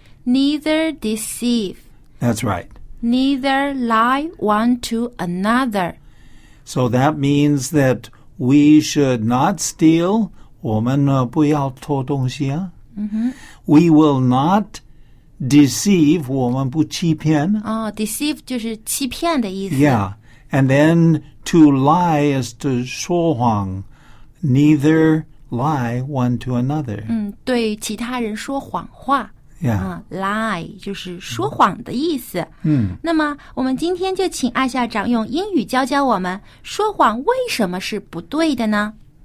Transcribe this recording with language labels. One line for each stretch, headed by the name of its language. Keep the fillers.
English: Neither deceive. That's right. Neither lie one to another. So that means that we should not steal.
Chinese: 我们呢不要偷东西啊。
English: Mm -hmm. We will not Deceive
Chinese: 我们不欺骗啊，deceive 就是欺骗的意思。
English: Yeah, and then to lie is to
Chinese: 说谎，
English: Neither lie one to another。
Chinese: 嗯，对其他人说谎话。 Yeah, lie 就是说谎的意思。嗯，那么我们今天就请二校长用英语教教我们，说谎为什么是不对的呢？